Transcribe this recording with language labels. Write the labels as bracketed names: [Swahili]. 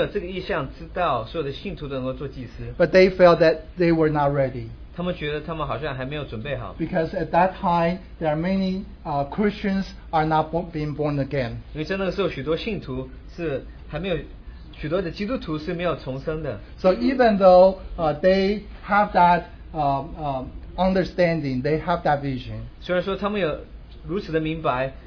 [Chinese] 那虽然说他们有这个意向，知道所有的信徒都能够做祭司， [English] but they felt that they were not ready. [Chinese] 他们觉得他们好像还没有准备好。 [English] Because at that time, there are many Christians are not being born again. [Chinese] 因为在那个时候，许多信徒是还没有，许多的基督徒是没有重生的。 [English] So even though they have that understanding, they have that vision. [Chinese] 虽然说他们有如此的明白，